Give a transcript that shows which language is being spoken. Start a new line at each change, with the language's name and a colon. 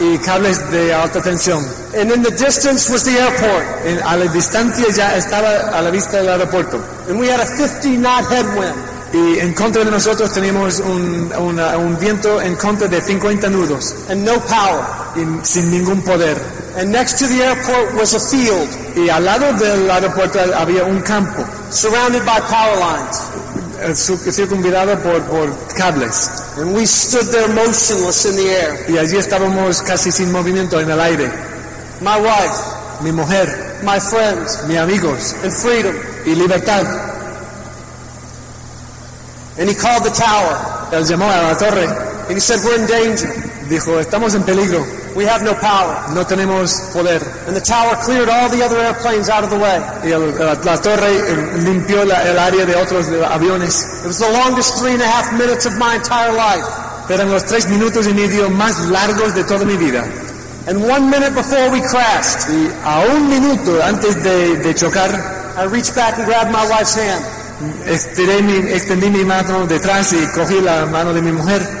Spanish: Y cables de alta tensión.
English: And in the distance was the airport.
Spanish: En a la distancia ya estaba a la vista el aeropuerto.
English: And we had a 50 knot headwind.
Spanish: Y en contra de nosotros teníamos un viento en contra de 50 nudos.
English: And no power.
Spanish: Y sin ningún poder.
English: And next to the airport was a field.
Spanish: Y al lado del aeropuerto había un campo.
English: Surrounded by power lines.
Spanish: Circunvirado por cables.
English: And we stood there motionless in the air.
Spanish: Y allí estábamos casi sin movimiento en el aire.
English: My wife.
Spanish: Mi mujer.
English: My friends.
Spanish: Mis amigos.
English: And freedom.
Spanish: Y libertad.
English: And he called the tower.
Spanish: Él llamó a la torre.
English: And he said, "We're in danger."
Spanish: Dijo, "Estamos en peligro."
English: "We have no power."
Spanish: No tenemos poder.
English: And the tower cleared all the other airplanes out of the way.
Spanish: Y la torre limpió el área de otros aviones.
English: It was the longest 3.5 minutes of my entire life.
Spanish: Eran los 3 minutos y medio más largos de toda mi vida.
English: And 1 minute before we crashed,
Spanish: y a 1 minuto antes de chocar,
English: I reached back and grabbed my wife's hand.
Spanish: Extendí mi mano detrás y cogí la mano de mi mujer.